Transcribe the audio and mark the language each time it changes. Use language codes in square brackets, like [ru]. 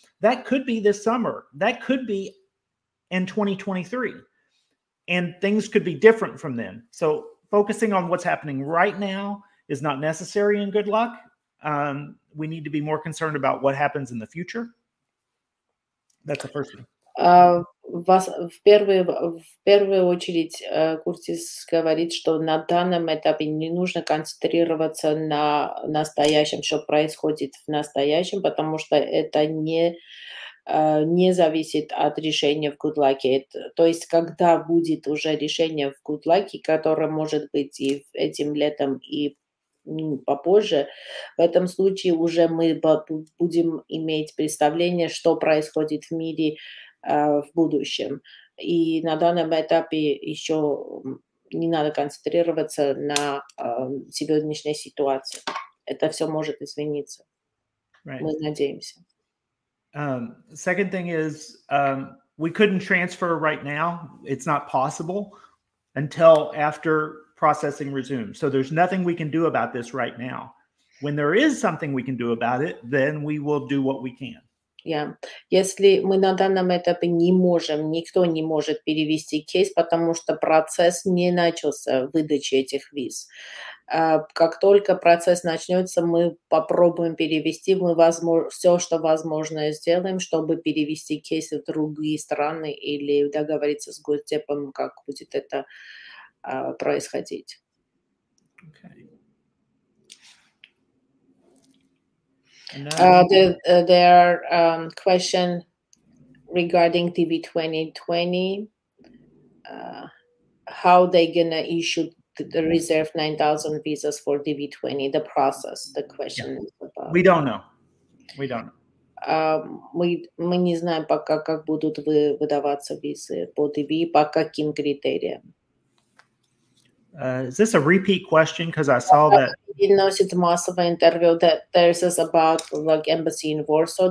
[en] That could be this summer. That could be in 2023, and things could be different from then. So focusing on what's happening right now is not necessary in good luck. We need to be more concerned about what happens in the future. That's the first thing. [ru] В первую очередь Куртис говорит, что на данном этапе не нужно концентрироваться на настоящем, что происходит в настоящем, потому что это не зависит от решения в Good Luck. То есть, когда будет уже решение в Good Luck, которое может быть и этим летом, и попозже, в этом случае уже мы будем иметь представление, что происходит в мире в будущем. И на данном этапе еще не надо концентрироваться на сегодняшней ситуации. Это все может измениться. [en] Right. [ru] Мы надеемся. [en] Second thing is, we couldn't transfer right now. It's not possible until after processing resumes. So there's nothing we can do about this right now. When there is something we can do about it, then we will do what we can. Yeah. [ru] Если мы на данном этапе не можем, никто не может перевести кейс, потому что процесс не начался выдачи этих виз. Как только процесс начнется, мы попробуем перевести, мы все, что возможно, сделаем, чтобы перевести кейсы в другие страны или договориться с Госдепом, как будет это происходить. [en] Okay. There are question regarding DB 2020. How they gonna issue the reserve 9,000 visas for DB 20? The process. The question. Yeah. We don't know. We don't know. [ru] Мы не знаем пока, как будут выдаваться визы по DB, по каким критериям. [en] Is this a repeat question? Because I saw that. He knows it's a massive interview that there's this about like embassy in Warsaw.